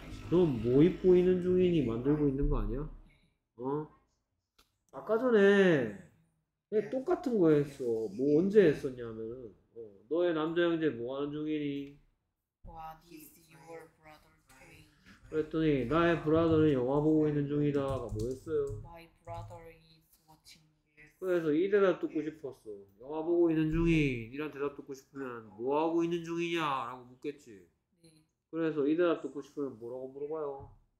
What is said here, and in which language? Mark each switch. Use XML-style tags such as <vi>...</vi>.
<ko>넌 뭐 입고 있는 중이니 만들고 있는 거 아니야? 어? 아까 전에 똑같은 거 했어. 뭐 언제 했었냐면 어, 너의 남자 형제 뭐 하는 중이니?</ko> <en>What is your brother doing?</en> <ko>그랬더니 나의 브라더는 영화 보고 있는 중이다가 뭐였어요?</ko> <en>My brother is watching this</en> <ko>그래서 이 대답 듣고 싶었어. 영화 보고 있는 중이. 이런 대답 듣고 싶으면 뭐 하고 있는 중이냐라고 묻겠지. 그래서 이 대답 듣고 싶으면 뭐라고 물어봐요?</ko>